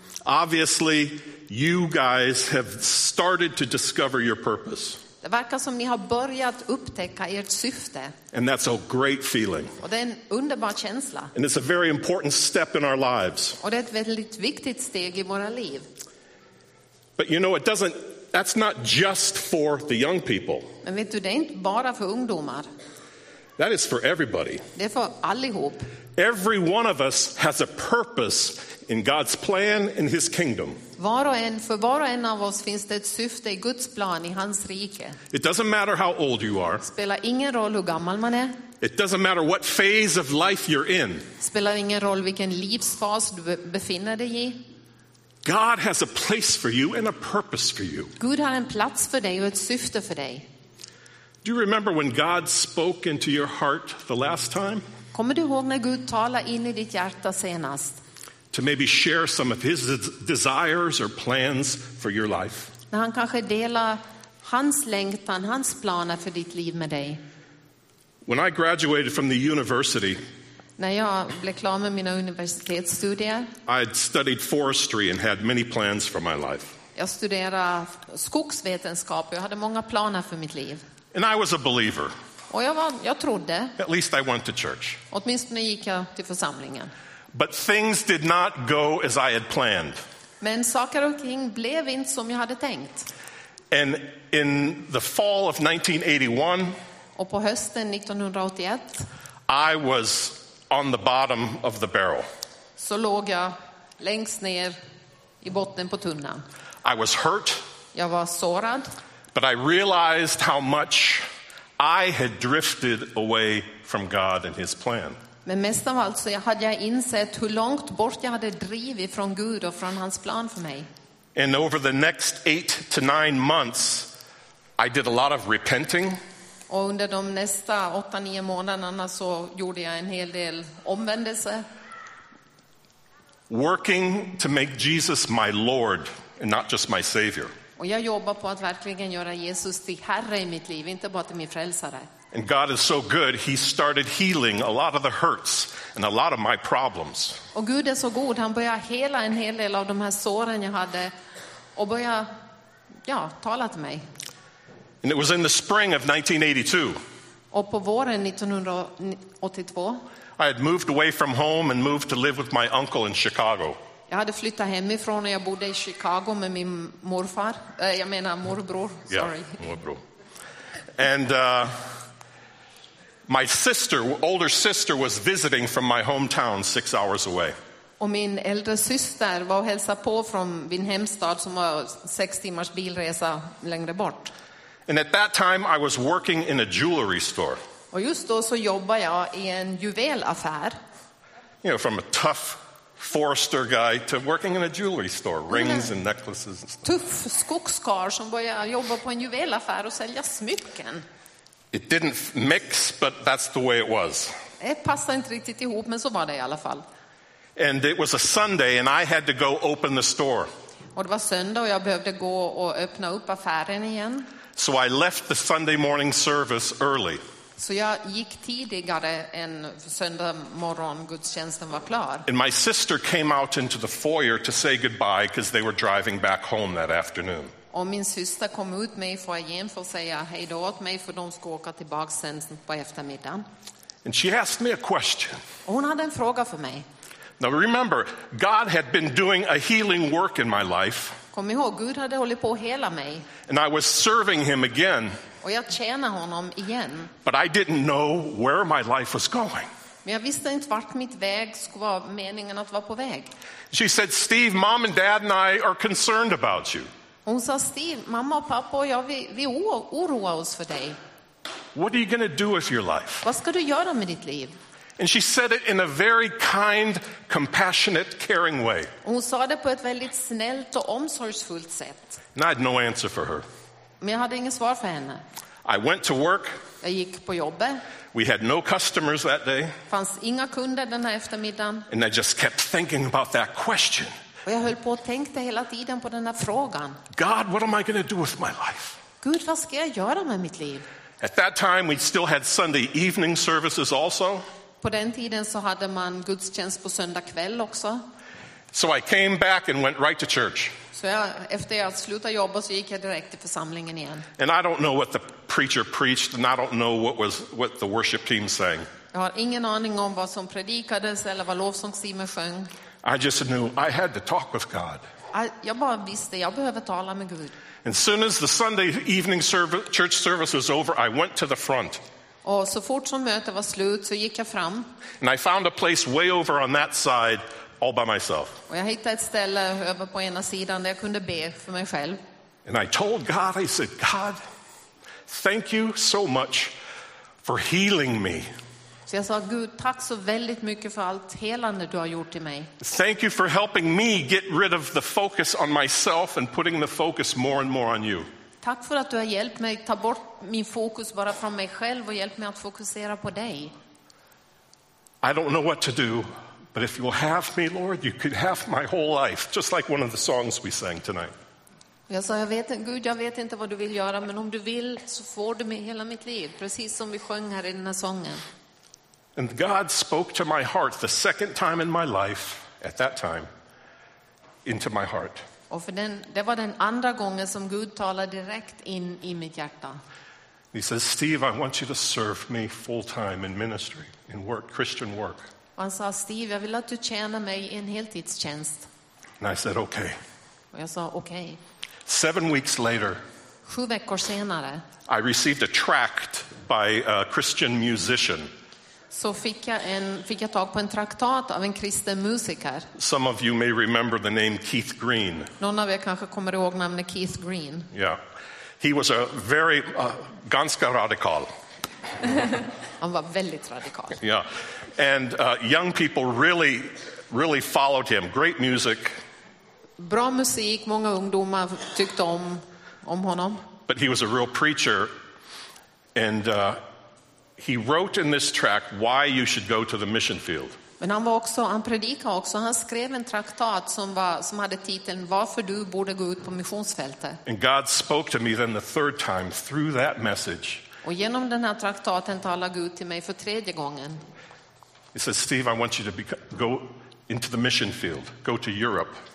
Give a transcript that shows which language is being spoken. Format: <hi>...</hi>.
<en>Obviously, you guys have started to discover your purpose.</en> <sv>Det verkar som ni har börjat upptäcka ert syfte.</sv> <en>And that's a great feeling.</en> <sv>Och det är en underbar känsla.</sv> <en>And it's a very important step in our lives.</en> <sv>Och det är ett väldigt viktigt steg i våra liv.</sv> <en>But you know, it doesn't. That's not just for the young people.</en> <sv>Men vet du, det är inte bara för ungdomar.</sv> <en>That is for everybody.</en> <sv>Det är för allihop.</sv> <en>Every one of us has a purpose in God's plan in his kingdom.</en> <sv>För var och en av oss finns det ett syfte i Guds plan i hans rike.</sv> <en>It doesn't matter how old you are.</en> <sv>Spelar ingen roll hur gammal man är.</sv> <en>It doesn't matter what phase of life you're in.</en> <sv>Spelar ingen roll vilken livsfas du befinner dig i.</sv> <en>God has a place for you and a purpose for you.</en> <sv>Gud har en plats för dig och ett syfte för dig.</sv> <en>Do you remember when God spoke into your heart the last time?</en> <sv>Kommer du ihåg när Gud talade in i ditt hjärta senast?</sv> <en>To maybe share some of his desires or plans for your life.</en> <sv>När han kanske delar hans längtan, hans planer för ditt liv med dig.</sv> <en>When I graduated from the university.</en> <sv>När jag blev klar med mina universitetsstudier.</sv> <en>I had studied forestry and had many plans for my life.</en> <sv>Jag studerade skogsvetenskap och jag hade många planer för mitt liv.</sv> <en>And I was a believer.</en> <sv>Och jag trodde.</sv> <en>At least I went to church.</en> <sv>Åtminstone gick jag till församlingen.</sv> <en>But things did not go as I had planned.</en> <sv>Men saker och ting blev inte som jag hade tänkt.</sv> <en>And in the fall of 1981.</en> <sv>Och på hösten 1981.</sv> <en>I was on the bottom of the barrel.</en> <sv>Så låg jag längst ner i botten på tunnan.</sv> <en>I was hurt.</en> <sv>Jag var sårad.</sv> <en>But I realized how much I had drifted away from God and his plan.</en> <sv>Men mest av allt så hade jag insett hur långt bort jag hade drivit från Gud och från hans plan för mig.</sv> <en>And over the next 8 to 9 months, I did a lot of repenting.</en> <sv>Och under de nästa 8-9 månaderna så gjorde jag en hel del omvändelse.</sv> <en>Working to make Jesus my Lord and not just my Savior.</en> <sv>Och jag jobbar på att verkligen göra Jesus till Herre i mitt liv, inte bara till min frälsare.</sv> <en>And God is so good, he started healing a lot of the hurts and a lot of my problems.</en> <sv>Och Gud är så god, han började hela en hel del av de här såren jag hade och började, ja, tala till mig.</sv> <en>And it was in the spring of 1982.</en> <sv>Och på våren 1982.</sv> <en>I had moved away from home and moved to live with my uncle in Chicago.</en> <sv>Jag hade flyttat hemifrån och jag bodde i Chicago med min morfar. Jag menar morbror, sorry.</sv> <en>Yeah, morbror. And my sister, older sister, was visiting from my hometown 6 hours away.</en> <sv>Och min äldre syster var och hälsade på från min hemstad som var 6 timmars bilresa längre bort.</sv> <en>And at that time I was working in a jewelry store.</en> <sv>Och just då så jobbade jag i en juvelaffär.</sv> <en>You know, from a tough forester guy to working in a jewelry store, rings and necklaces and stuff.</en> <sv>Tuff skogskar som började jobba på en juvelaffär och sälja smycken.</sv> <en>It didn't mix, but that's the way it was.</en> <sv>Det passade inte riktigt ihop, men så var det i alla fall.</sv> <en>And it was a Sunday and I had to go open the store.</en> <sv>Och det var söndag och jag behövde gå och öppna upp affären igen.</sv> <en>So I left the Sunday morning service early.</en> <sv>Så jag gick tidigare än söndag morgon gudstjänsten var klar.</sv> <en>And my sister came out into the foyer to say goodbye because they were driving back home that afternoon.</en> <sv>Och min syster kom ut med mig för att igen för att säga hej då åt mig för de ska åka tillbaka sen på eftermiddagen.</sv> <en>And she asked me a question.</en> <sv>Och hon hade en fråga för mig.</sv> <en>Now remember, God had been doing a healing work in my life.</en> <sv>Kom ihåg, Gud hade hållit på att hela mig.</sv> <en>And I was serving him again.</en> <sv>Och jag tjänar honom igen.</sv> <en>But I didn't know where my life was going.</en> <sv>Men jag visste inte vart mitt väg skulle vara meningen att vara på väg.</sv> <en>She said, Steve, mom and dad and I are concerned about you.</en> <sv>Hon sa, Steve, mamma och pappa och jag, vi oroar oss för dig.</sv> <en>What are you going to do with your life?</en> <sv>Vad ska du göra med ditt liv?</sv> <en>And she said it in a very kind, compassionate, caring way.</en> <sv>Hon sa det på ett väldigt snällt och omsorgsfullt sätt.</sv> <en>And I had no answer for her.</en> <sv>Men jag hade inget svar för henne.</sv> <en>I went to work.</en> <sv>Jag gick på jobbet.</sv> <en>We had no customers that day.</en> <sv>Fanns inga kunder den här eftermiddagen.</sv> <en>And I just kept thinking about that question.</en> <sv>Och jag höll på och tänkte hela tiden på den här frågan.</sv> <en>God, what am I going to do with my life?</en> <sv>Gud, vad ska jag göra med mitt liv?</sv> <en>At that time, we still had Sunday evening services also.</en> <sv>På den tiden så hade man gudstjänst på söndag kväll också.</sv> <en>So I came back and went right to church.</en> <sv>Så jag, efter jag slutade jobba så gick jag direkt till församlingen igen.</sv> <en>And I don't know what the preacher preached and I don't know what the worship team sang.</en> <sv>Jag har ingen aning om vad som predikades eller vad lovsångsteamet sjöng.</sv> <en>I just knew I had to talk with God.</en> <sv>Jag bara visste jag behöver tala med Gud.</sv> <en>And soon as the Sunday evening church service was over, I went to the front.</en> <sv>Och så fort som mötet var slut så gick jag fram.</sv> <en>And I found a place way over on that side all by myself.</en> <sv>Och jag hittade ett ställe över på ena sidan där jag kunde be för mig själv.</sv> <en>And I told God, I said, God, thank you so much for healing me.</en> <sv>Så jag sa, Gud, tack så väldigt mycket för allt helande du har gjort i mig.</sv> <en>Thank you for helping me get rid of the focus on myself and putting the focus more and more on you.</en> <sv>Tack för att du har hjälpt mig ta bort min fokus bara från mig själv och hjälpt mig att fokusera på dig.</sv> <en>I don't know what to do, but if you will have me, Lord, you could have my whole life, just like one of the songs we sang tonight.</en> <sv>Jag sa, jag vet, Gud, jag vet inte vad du vill göra, men om du vill så får du mig hela mitt liv, precis som vi sjöng här i den här sången.</sv> <en>And God spoke to my heart the second time in my life at that time into my heart.</en> <sv>Och för den, det var den andra gången som Gud talade direkt in i mitt hjärta.</sv> <en>He says, Steve, I want you to serve me full time in ministry, in work, Christian work.</en> <sv>Och han sa, Steve, jag vill att du tjänar mig i en heltidstjänst.</sv> <en>And I said, okay.</en> <sv>Och jag sa, okay.</sv> <en>7 weeks later,</en> <sv>7 veckor senare,</sv> <en>I received a tract by a Christian musician.</en> <sv>Så fick jag tag på en traktat av en kristen musiker.</sv> <en>Some of you may remember the name Keith Green.</en> <sv>Någon av er kanske kommer ihåg namnet Keith Green.</sv> <en>Yeah. He was a very</en> <sv>ganska radikal. Han var väldigt radikal.</sv> <en>Yeah. And young people really really followed him. Great music.</en> <sv>Bra musik, många ungdomar tyckte om honom.</sv> <en>but he was a real preacher. And he wrote in this tract why you should go to the mission field.</en> <sv>Men han var också, han predikade också, han skrev en traktat som var, som hade titeln Varför du borde gå ut på missionsfältet.</sv> <en>And God spoke to me then the third time through that message.</en> <sv>Och genom den här traktaten talade Gud till mig för tredje gången.</sv> <en>He says, Steve, I want you to go into the mission field, go to Europe.</en>